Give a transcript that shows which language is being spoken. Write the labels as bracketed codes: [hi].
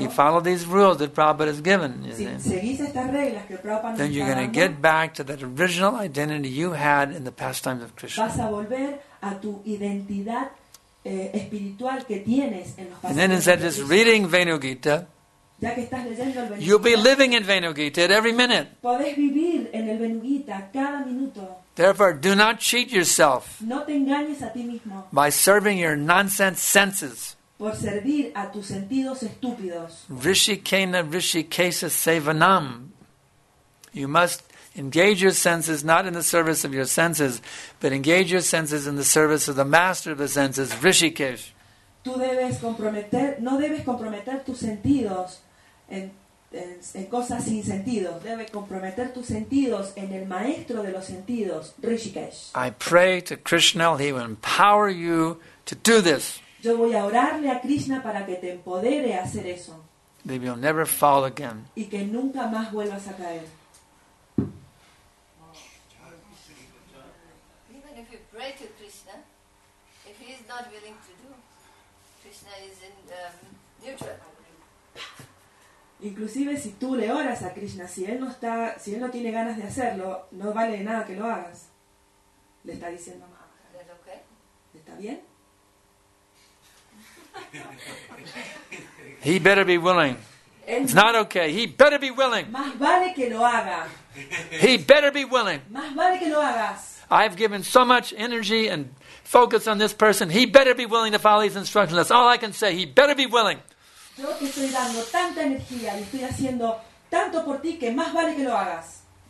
[en] You follow these rules that Prabhupada has given, you [es] si, [en] see. [es] Seguís estas reglas que Prabhupada nos [en] then you're going to get back to that original identity you had in the pastimes of Krishna. [es] Vas a volver a tu identidad espiritual que tienes en los [en] and then instead of just reading Venu Gita, [es] ya que estás leyendo el [en] you'll be living in Venu Gita at every minute. [es] Podés vivir en el Venu Gita cada minuto. [en] Therefore, do not cheat yourself [es] no te engañes a ti mismo [en] by serving your nonsense senses. [es] Por servir a tus sentidos estúpidos. [sa] Rishikena Rishikesa Sevanam. [en] You must engage your senses not in the service of your senses, but engage your senses in the service of the master of the senses, Rishikesh. [es] Tú debes comprometer, no debes comprometer tus sentidos en cosas sin sentido. Debe comprometer tus sentidos en el maestro de los sentidos, Rishikesh. [en] I pray to Krishna, he will empower you to do this. [es] Yo voy a orarle a Krishna para que te empodere a hacer eso. [en] That you'll never fall again. [es] Y que nunca más vuelvas a caer. [en] Even if you pray to Krishna, if he is not willing to do, Krishna is in neutral. [es] Inclusive si tú le oras a Krishna, si él no tiene ganas de hacerlo, no vale de nada que lo hagas. Le está diciendo mamá. ¿Está bien? [en] He better be willing. It's not okay. He better be willing. [es] Más vale que lo haga. [en] He better be willing. [es] Más vale que lo hagas. [en] I've given so much energy and focus on this person. He better be willing to follow these instructions. That's all I can say. He better be willing. [es] Yo estoy dando tanta energía y estoy haciendo tanto por ti que más vale que lo hagas.